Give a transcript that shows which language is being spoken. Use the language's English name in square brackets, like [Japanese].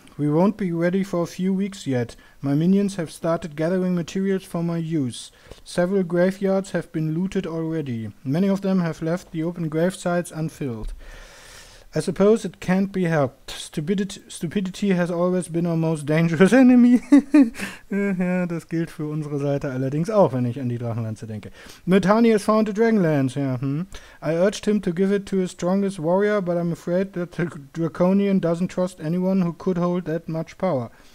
[English] We won't be ready for a few weeks yet. My minions have started gathering materials for my use. Several graveyards have been looted already. Many of them have left the open gravesites unfilled. I suppose it can't be helped. Stupidity has always been our most dangerous enemy. [German] ja, das gilt für unsere Seite allerdings auch, wenn ich an die Drachenlanze denke. [English] Mutani has found a Dragonlance. Ja, I urged him to give it to his strongest warrior, but I'm afraid that the Draconian doesn't trust anyone who could hold that much power.